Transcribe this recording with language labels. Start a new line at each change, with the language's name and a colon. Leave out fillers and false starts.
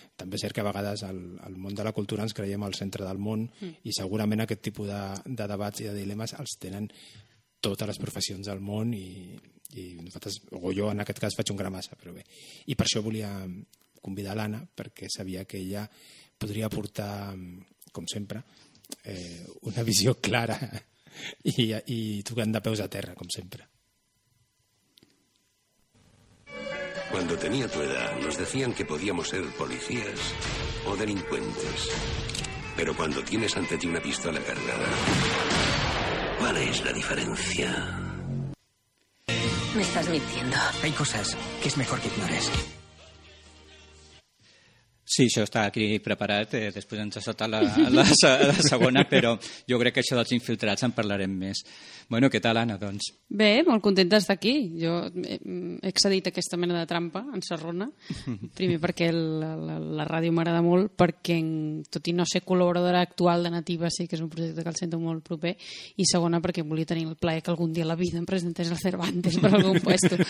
Catalan: També és cert que a vegades al món de la cultura ens creiem al centre del món i segurament aquest tipus de debats i de dilemes els tenen totes les professions del món i nosaltres, o jo en aquest cas faig un gran massa, però bé. I per això volia convidar l'Anna, perquè sabia que ella podria aportar, com sempre, una visió clara i tocant de peus a terra, com sempre.
Spanish: Cuando tenía tu edad, nos decían que podíamos ser policías o delincuentes. Pero cuando tienes ante ti una pistola cargada, ¿cuál es la diferencia? Me estás mintiendo. Hay cosas que es mejor que ignores.
Catalan: Sí, això està aquí preparat, després ens ha saltat la segona, però jo crec que això dels infiltrats en parlarem més. Bueno, què tal, Anna, doncs? Bé, molt contenta d'estar aquí. Jo he excedit aquesta mena de trampa, en Serrona, primer perquè la ràdio m'agrada molt, perquè tot i no ser col·laboradora actual de Nativa, sí que és un projecte que el sento molt proper, i segona perquè volia tenir el plaer que algun dia a la vida em presentés el Cervantes per algun puesto.